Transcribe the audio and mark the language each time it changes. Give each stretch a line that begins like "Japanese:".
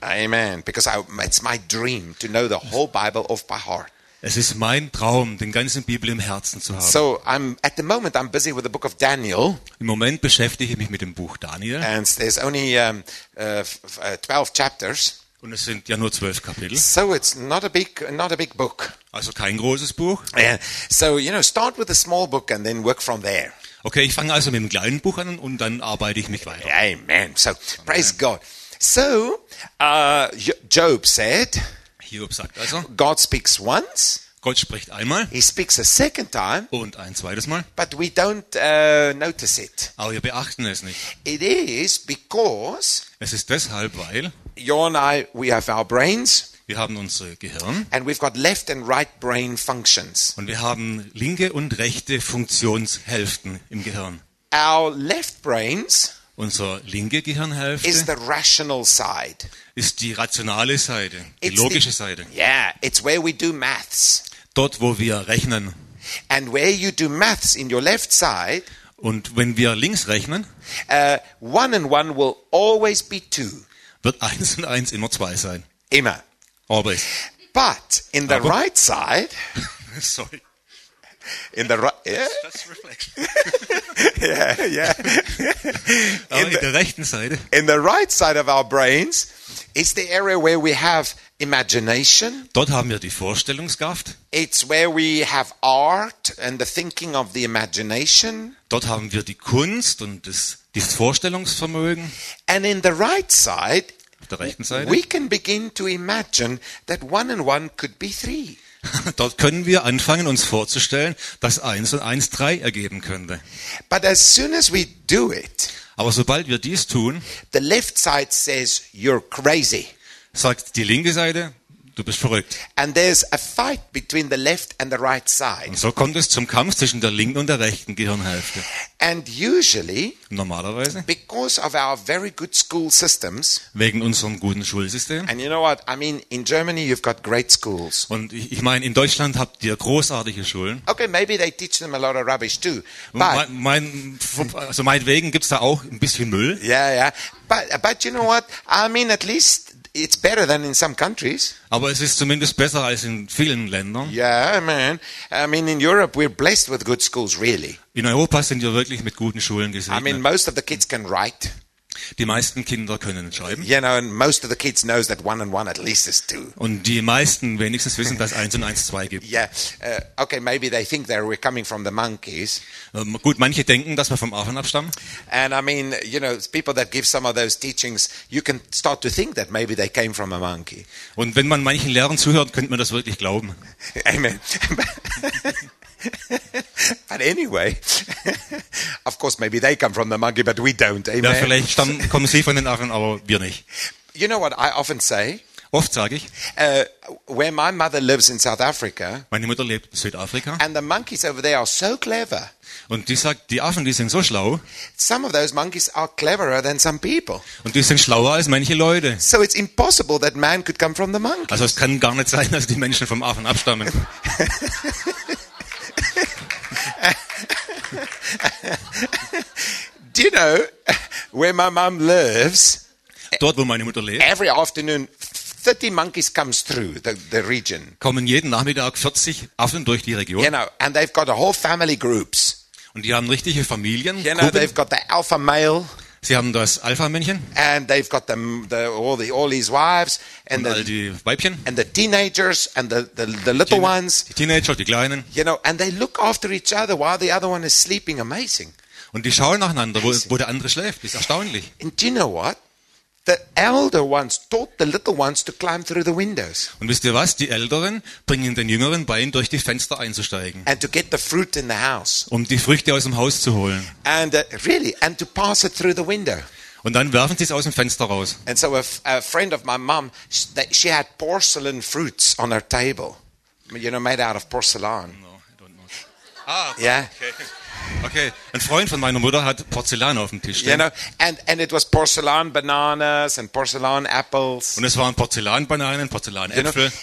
English: Amen. Because it's my dream to know the whole Bible off by heart.
German: Es ist mein Traum, den ganzen Bibel im Herzen zu haben.
English: So, at the moment I'm busy with the book of Daniel.
German: Im Moment beschäftige ich mich mit dem Buch Daniel.
English: And there's only 12 chapters.
German: Und es sind ja nur 12 Kapitel.
English: So it's not a big book.
German: Also kein großes Buch.
English: Yeah. So you know, start with a small book and then work from there.
German: Okay, ich fange also mit dem kleinen Buch an und dann arbeite ich mich weiter.
English: Amen. So praise God. So Job said.
German: Hiob sagt also.
English: God speaks once.
German: Gott spricht einmal.
English: He speaks a second time.
German: Und ein zweites Mal.
English: But we don't notice it.
German: Aber wir beachten es nicht.
English: It is because.
German: Es ist deshalb, weil.
English: You and I, we have our brains.
German: Wir haben unser Gehirn.
English: And we've got left and right brain functions.
German: Und wir haben linke und rechte Funktionshälften im Gehirn.
English: Our left brains.
German: Unser linke Gehirnhälfte.
English: Is the rational side.
German: Ist die rationale Seite, die logische Seite.
English: Yeah, it's where we do maths.
German: Dort, wo wir rechnen.
English: And where you do maths in your left side.
German: Und wenn wir links rechnen.
English: One and one will always be two.
German: Wird eins und eins immer zwei sein. Immer.
English: Always. But in the right side. Sorry. In the right. Yeah. Yeah, yeah.
German: Aber in der rechten Seite.
English: In the right side of our brains. It's the area where we have imagination.
German: Dort haben wir die Vorstellungskraft.
English: It's where we have art and the thinking of the imagination.
German: Dort haben wir die Kunst und das Vorstellungsvermögen.
English: And in the right side,
German: auf der rechten Seite,
English: we can begin to imagine that one and one could be three.
German: Dort können wir anfangen, uns vorzustellen, dass eins und eins drei ergeben könnte.
English: But as soon as we do it.
German: Aber sobald wir dies tun,
English: the left side says, you're crazy.
German: Sagt die linke Seite, du bist verrückt.
English: And there's a fight between the left and the right side.
German: Und so kommt es zum Kampf zwischen der linken und der rechten Gehirnhälfte.
English: And usually,
German: normalerweise,
English: because of our very good school systems,
German: wegen unserem guten Schulsystem.
English: And you know what? I mean, in Germany you've got great schools.
German: Und ich meine, in Deutschland habt ihr großartige Schulen.
English: Okay, maybe they teach them a lot of rubbish too.
German: But meinetwegen gibt's da auch ein bisschen Müll.
English: Yeah, yeah. But you know what? I mean, at least it's better than in some countries.
German: Aber es ist zumindest besser als in vielen Ländern.
English: Yeah, man. I mean, in Europe we're blessed with good schools, really.
German: In Europa sind wir wirklich mit guten Schulen gesegnet.
English: I mean, most of the kids can write.
German: Die meisten Kinder können schreiben.
English: You know, and most of the kids knows that one and one at least is two.
German: Und die meisten wenigstens wissen, dass eins und eins zwei gibt.
English: Yeah, okay, maybe they think that we're coming from the monkeys.
German: Gut, manche denken, dass wir vom Affen abstammen.
English: And I mean, you know, people that give some of those teachings, you can start to think that maybe they came from a monkey.
German: Und wenn man manchen Lehrern zuhört, könnte man das wirklich glauben.
English: Amen. But anyway, of course, maybe they come from the monkey, but we don't. Amen.
German: Ja, vielleicht kommen sie von den Affen, aber wir nicht.
English: You know what I often say?
German: Oft sage ich.
English: Where my mother lives in South Africa.
German: Meine Mutter lebt in Südafrika.
English: And the monkeys over there are so clever.
German: Und die sagt, die Affen, die sind so schlau.
English: Some of those monkeys are cleverer than some people.
German: Und die sind schlauer als manche Leute.
English: So it's impossible that man could come from the monkeys.
German: Also es kann gar nicht sein, dass die Menschen vom Affen abstammen.
English: Do you know where my mom lives?
German: Dort, wo meine Mutter lebt.
English: Every afternoon, 30 monkeys comes through the region.
German: Kommen jeden Nachmittag 40 Affen durch die Region.
English: You know, and they've got a whole family groups.
German: Und die haben richtige Familien.
English: You know, they've got the alpha male.
German: Sie haben das Alpha-Männchen.
English: And they've got all his wives and
German: all die Weibchen.
English: And the teenagers and the little ones.
German: Die Teenager, die Kleinen.
English: You know, and they look after each other while the other one is sleeping. Amazing.
German: Und die schauen nacheinander, wo der andere schläft. Das ist erstaunlich.
English: And do you know what? The elder ones taught the little ones to climb through the windows.
German: Und wisst ihr was? Die Älteren bringen den Jüngeren bei, durch die Fenster einzusteigen.
English: And to get the fruit in the house.
German: Um die Früchte aus dem Haus zu holen.
English: And really, and to pass it through the window.
German: Und dann werfen sie es aus dem Fenster raus.
English: And so a friend of my mom, she had porcelain fruits on her table. You know, made out of porcelain. No, I don't know. Ah, yeah.
German: Okay, ein Freund von meiner Mutter hat Porzellan auf dem Tisch stehen.
English: You know, and it was porcelain bananas and porcelain apples.
German: Und es waren Porzellanbananen, Porzellanäpfel.